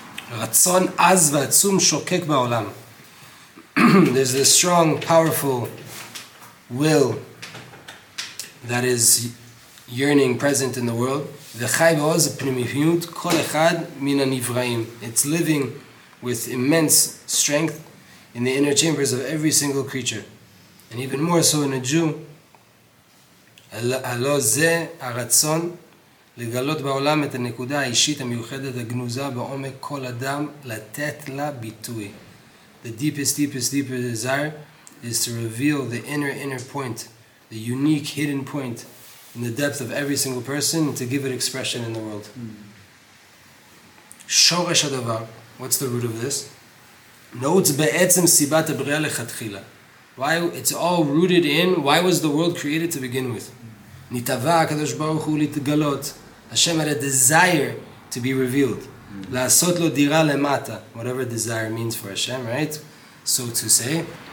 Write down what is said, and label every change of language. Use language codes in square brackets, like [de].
[he] Ratzon az v'atzum shokek ba'olam. [en] There's this strong, powerful will that is yearning, present in the world. [he] V'chai v'oz p'nimihiyut kol echad min ha'nivraim. [en] It's living with immense strength in the inner chambers of every single creature. And even more so in a Jew. [he] הלא זה הרצון לגלות בעולם את הנקודה האישית המיוחדת הגנוזה בעומק כל אדם לתת לה ביטוי. [en] The deepest, deepest, deepest desire is to reveal the inner point, the unique hidden point in the depth of every single person and to give it expression in the world. [he] שורש הדבר, [en] what's the root of this? [he] נעוץ בעצם סיבת הבריאה לכתחילה. [en] Why it's all rooted in, why was the world created to begin with? [he] Nitava HaKadosh Baruch Hu litgalot. [en] Hashem had a desire to be revealed. [he] La'asot lo dira lemata. [en] Whatever desire means for Hashem, right? So to say.